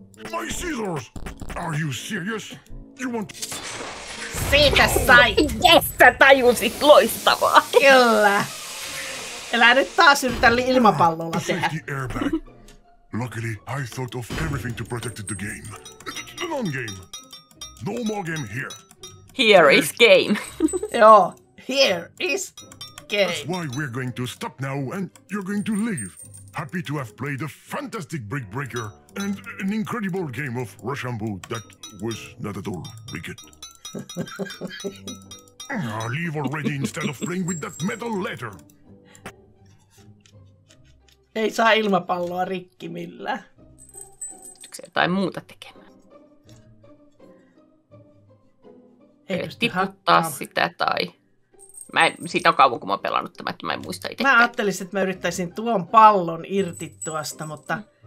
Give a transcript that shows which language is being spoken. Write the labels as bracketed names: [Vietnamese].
[English] My scissors! Are you serious? You want... [Finnish] Siitä sai! Yes, sä tajusit loistavaa! Kyllä! Elä nyt taas yritä ilmapallolla tehdä. [English] Luckily, I thought of everything to protect the game. The non-game. No more game here. Here is game. Joo, here is game. That's why we're going to stop now and you're going to leave. Happy to have played a fantastic brick breaker and an incredible game of Rochambeau that was not at all wicked. Leave already instead of playing with that metal letter. [Finnish] Ei saa ilmapalloa rikki millään. Pystytkö se jotain muuta tekemään? Ei tiputtaa sitä tai... Mä en, siitä on kauan kun mä oon pelannut tämän, että mä en muista itse. Mä ajattelin, että mä yrittäisin tuon pallon irti tuosta, mutta...